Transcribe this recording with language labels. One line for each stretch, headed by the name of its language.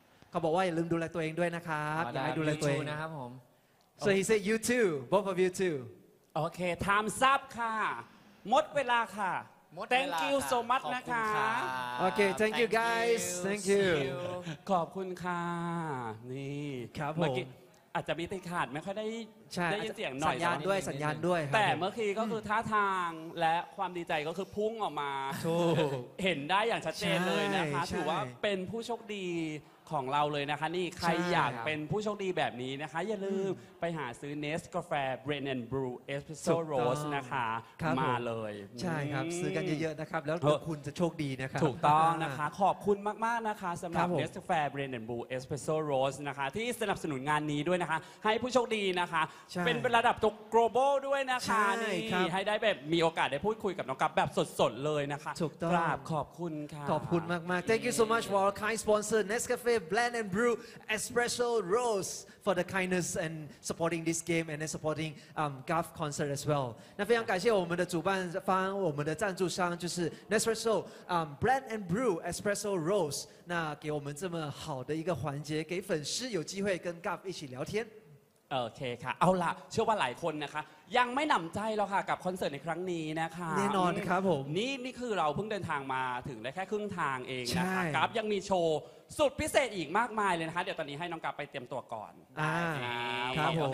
Thai: เขาบอกว่าอย่าลืมดูแลตัวเองด้วยนะครับอย่าให้ดูแลตัวเอง นะครับผม
English: So he said you too, both of you too. Okay, time's up ค่ะ
Thai: หมดเวลาค่ะ
English: Thank you so much นะคะ Okay, thank you guys. Thank you.
Thai: ขอบคุณค่ะนี่ ครับผม อาจจะมีติดขัดไม่ค่อยได้ ใช่ ได้ยินเสียงหน่อย สัญญาณด้วยสัญญาณด้วย แต่เมื่อกี้ก็คือท่าทางและความดีใจก็คือพุ่งออกมา ถูก เห็นได้อย่างชัดเจนเลยนะคะถือว่าเป็นผู้โชคดีของเราเลยนะคะนี่ใครอยากเป็นผู้โชคดีแบบนี้นะคะอย่าลืมไปหาซื้อ Nest กาแฟ Brand and Brew Espresso Rose นะคะมาเลย ใช่ครับซื้อกันเยอะๆนะครับแล้วคุณจะโชคดีนะครับ ถูกต้องนะคะขอบคุณมากๆนะคะสำหรับ Nest กาแฟ Brand and Brew Espresso Rose นะคะที่สนับสนุนงานนี้ด้วยนะคะให้ผู้โชคดีนะคะเป็นระดับตัว Global ด้วยนะคะนี่ ให้ได้แบบมีโอกาสได้พูดคุยกับน้องกับแบบสดๆเลยนะคะ ถูกต้อง กราบขอบคุณค่ะ ขอบคุณมากๆ
English: Thank you so much for our kind sponsor Nest CafeBlend and Brew Espresso Rose for the kindness and supporting this game and then supporting Garth concert as well.
Chinese: 那非常感谢我们的主办方，我们的赞助商就是 Nespresso Blend and Brew Espresso Rose. 那给我们这么好的一个环节，给粉丝有机会跟 Garth 一起聊天。
Thai: โอเคค่ะเอาล่ะเชื่อว่าหลายคนนะคะยังไม่หนำใจหรอกค่ะกับคอนเสิร์ตในครั้งนี้นะคะ แน่นอนครับผม นี่คือเราเพิ่งเดินทางมาถึงได้แค่ครึ่งทางเองนะคะกราฟยังมีโชว์สุดพิเศษอีกมากมายเลยนะคะเดี๋ยวตอนนี้ให้น้องกราฟไปเตรียมตัวก่อน ครับผม